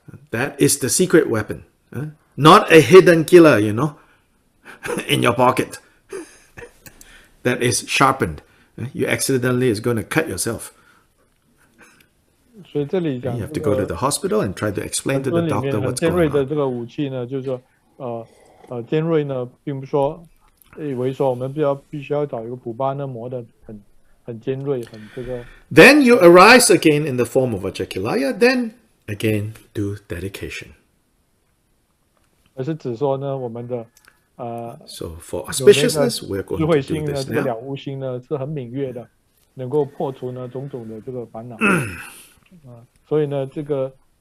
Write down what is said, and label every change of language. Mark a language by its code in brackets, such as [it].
[en] That is the secret weapon. Not a hidden killer, you know, in your pocket. That is sharpened. You accidentally is going to cut yourself. You have to go to the hospital and try to explain to the doctor what's going on. [zh] 尖锐的这个武器呢，就是说，尖锐呢，并不说。 [en] Then you arise again in the form of Vajrakilaya, then again do dedication. [zh] 而是指说呢，我们的, [en] so for auspiciousness, we're going to do this now. [zh] 这个了悟心呢，是很敏锐的，能够破除呢种种的这个烦恼。所以呢，这个。